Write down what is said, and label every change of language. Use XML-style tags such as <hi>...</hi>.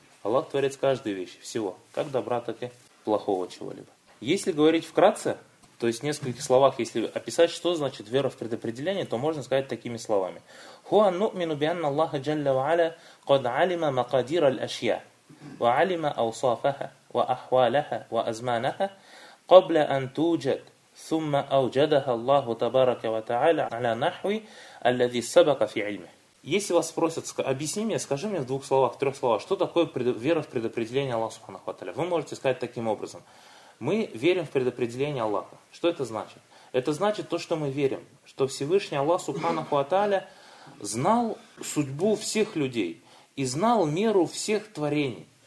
<ru>Аллах творец каждой вещи, всего. Как добра, так и плохого чего-либо. Если говорить вкратце, то есть в нескольких словах, если описать, что значит вера в предопределение, то можно сказать такими словами.</ru> <ar>Хуа нумину бианна Аллаха джалля ва аля кад алима макадир аль ашья. وعلم أوصافها وأحوالها وأزمانها قبل أن توجد، ثم أوجدها الله تبارك وتعالى على نحو الذي سبق في علمه.</ar> <ru>Если вас спросят, объясни мне, скажи мне в двух словах, в трех словах, что такое вера в предопределение Аллаха Субханаху ва Тааля, вы можете сказать таким образом. Мы верим в предопределение Аллаха. Что это значит? Это значит то, что мы верим, что Всевышний Аллах Субханаху ва Тааля знал судьбу всех людей и знал меру всех творений.</ru>